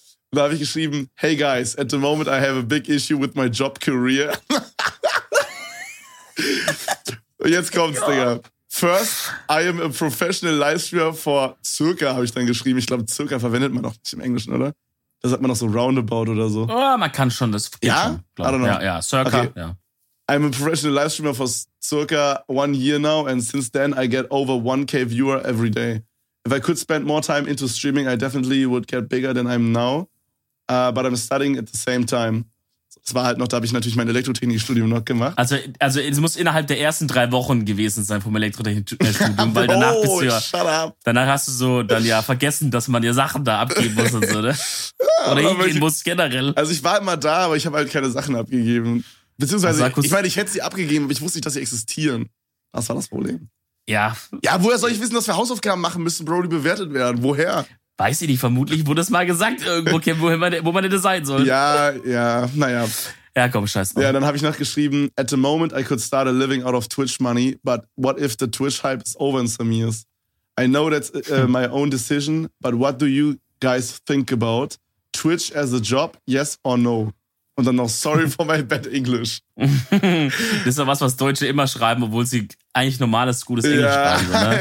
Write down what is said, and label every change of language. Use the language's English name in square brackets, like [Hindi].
[German] Und da habe ich geschrieben, [English] hey guys, at the moment I have a big issue with my job career. [German] Und jetzt kommt's, Digga. [English] First, I am a professional livestreamer for circa, [German] habe ich dann geschrieben. Ich glaube, circa verwendet man auch nicht im Englischen, oder? Das hat man noch so roundabout oder so. Oh, man kann schon, das geht ja? schon. [English] I don't know. [German] Ja, circa. Okay. Ja. [English] I'm a professional Livestreamer for circa 1 year now, and since then I get over 1,000 viewer every day. If I could spend more time into streaming, I definitely would get bigger than I am now. But I'm studying at the same time. [German] Das war halt noch, da habe ich natürlich mein Elektrotechnikstudium noch gemacht. Also es muss innerhalb der ersten 3 Wochen gewesen sein vom Elektrotechnikstudium, weil danach bist du ja, danach hast du so dann ja vergessen, dass man dir Sachen da abgeben muss und so, ne? Oder hingehen muss generell. Also ich war immer da, aber ich habe halt keine Sachen abgegeben. Beziehungsweise, ich hätte sie abgegeben, aber ich wusste nicht, dass sie existieren. Das war das Problem. Ja. Ja, woher soll ich wissen, dass wir Hausaufgaben machen müssen, Bro, die bewertet werden? Woher? Weiß ich nicht, vermutlich wurde es mal gesagt irgendwo, okay, wo man denn sein soll. Ja, ja, naja. Ja, komm, scheiß drauf. Ja, dann habe ich nachgeschrieben, [English] at the moment I could start a living out of Twitch money, but what if the Twitch hype is over in some years? I know that's my own decision, but what do you guys think about Twitch as a job, yes or no? [German] Und dann noch, [English] sorry for my bad English. [German] Das ist doch was Deutsche immer schreiben, obwohl sie eigentlich normales, gutes Englisch schreiben, oder?